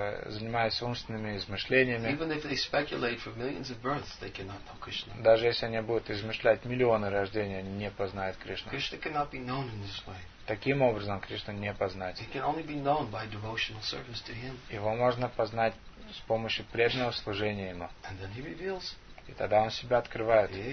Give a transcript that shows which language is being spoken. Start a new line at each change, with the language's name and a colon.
Russian: занимаясь умственными измышлениями,
English: even if they speculate for millions of births, they cannot know Krishna.
Russian: Даже если они будут измышлять миллионы рождений, они не познают Кришну.
English: Krishna cannot be known in this way.
Russian: Таким образом Кришну не познать. Его можно познать с помощью преданного служения Ему. И тогда Он себя открывает.